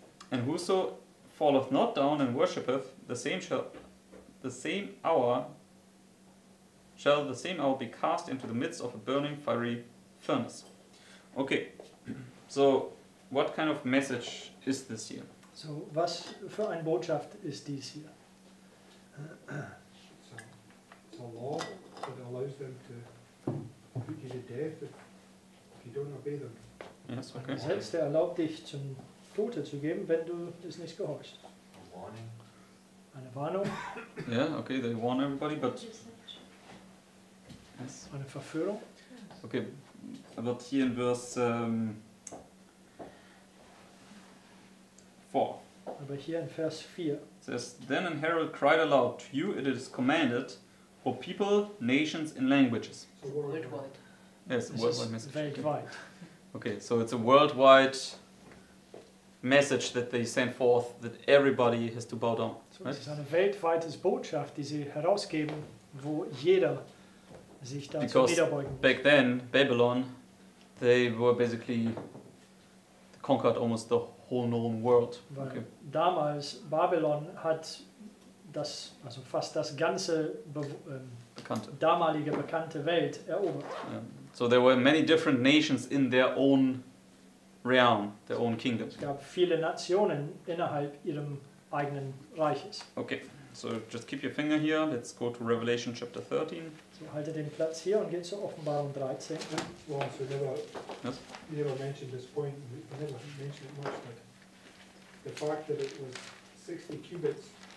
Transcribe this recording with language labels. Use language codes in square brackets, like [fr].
[en] And whoso falleth not down and worshipeth, the same hour be cast into the midst of a burning fiery furnace. Okay, so what kind of message is this here? [de] So was für eine Botschaft ist dies hier? [en] So law that allows them to put you to death if you don't obey them. Yes, okay. [de] Gesetz, der erlaubt dich zum Tote zu geben, wenn du es nicht gehorchst. Eine Warnung. [en] Yeah, okay, they warn everybody, but [de] yes. Eine Verführung. [en] Okay, but here in verse 4. [de] Aber hier in Vers 4. [en] It says, then an herald cried aloud, to you it is commanded, O people, nations, and languages. So worldwide. Yes, this worldwide message. [de] Weltweit. [en] Okay, so it's a worldwide message that they send forth that everybody has to bow down. [de] So es ist eine weltweite Botschaft, die sie herausgeben, wo jeder sich dazu niederbeugen muss. [en] Because back then, Babylon, they were basically conquered almost the whole known world. [de] Weil okay. Damals, Babylon hat das, also fast das ganze bekannte. Damalige bekannte Welt erobert. [en] So there were many different nations in their own realm, their own kingdom. [de] Es gab viele Nationen innerhalb ihrem eigenen Reiches. [en] Okay, so just keep your finger here. Let's go to Revelation chapter 13. [de] So halte den Platz hier und geht zur Offenbarung 13. [en] Well, so never, yes? You never mentioned this point. You never mentioned it much, but the fact that it was 60 cubits.